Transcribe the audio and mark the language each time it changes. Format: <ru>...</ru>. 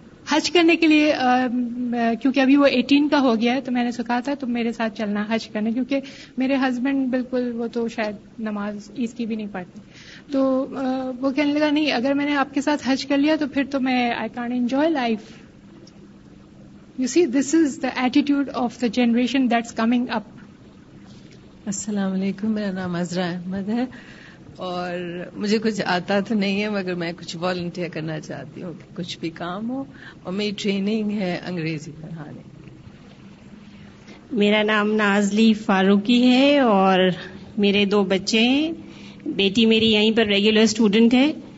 <ur>حج کرنے کے لیے کیونکہ ابھی وہ 18 کا ہو گیا ہے تو میں نے سکھا تھا تو میرے ساتھ چلنا حج کرنے، کیونکہ میرے ہسبینڈ بالکل وہ تو شاید نماز عید کی بھی نہیں پڑھتے. تو وہ کہنے لگا نہیں، اگر میں نے آپ کے ساتھ حج کر لیا تو پھر تو میں</ur> <en>I can't enjoy life. You see this is the attitude of the generation that's coming up.</en> <ur>السلام علیکم، میرا نام عزرا احمد ہے اور مجھے کچھ آتا تو نہیں ہے مگر میں کچھ والنٹیئر کرنا چاہتی ہوں، کچھ بھی کام ہو، اور میری ٹریننگ ہے انگریزی پڑھانے. میرا نام نازلی فاروقی ہے اور میرے 2 بچے ہیں، بیٹی میری یہیں پر ریگولر اسٹوڈنٹ ہے.</ur>